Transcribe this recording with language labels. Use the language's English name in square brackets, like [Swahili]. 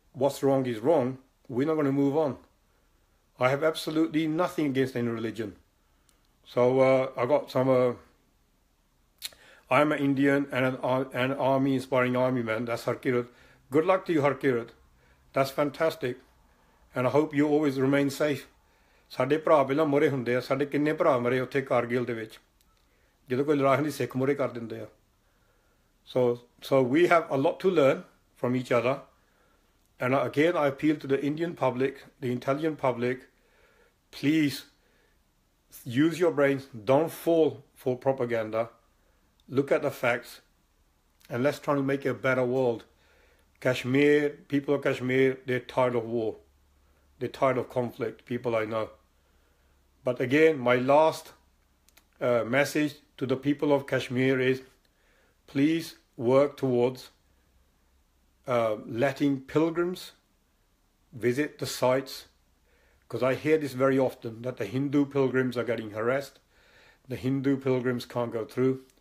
[English] what's wrong is wrong, we're not going to move on. I have absolutely nothing against any religion. So I got some, I'm an Indian and an army, inspiring army man. That's Harkirat. Good luck to you, Harkirat. That's fantastic. And I hope you always remain safe. [Punjabi] ਸਾਡੇ ਭਰਾ ਪਹਿਲਾਂ ਮਰੇ ਹੁੰਦੇ ਆ, ਸਾਡੇ ਕਿੰਨੇ ਭਰਾ ਮਰੇ ਉੱਥੇ ਕਾਰਗਿਲ ਦੇ ਵਿੱਚ ਜਦੋਂ ਕੋਈ ਲੜਾਈ ਦੀ ਸਿੱਖ ਮੁਰੇ ਕਰ ਦਿੰਦੇ ਆ. [English] So so we have a lot to learn from each other. And again I feel to the Indian public, the intelligent public, please use your brains, don't fall for propaganda, look at the facts and let's try to make a better world. Kashmir, people of Kashmir, they tired of war, they tired of conflict, people I know. But again, my last message to the people of Kashmir is, please work towards letting pilgrims visit the sites, because I hear this very often, that the Hindu pilgrims are getting harassed, the Hindu pilgrims can't go through.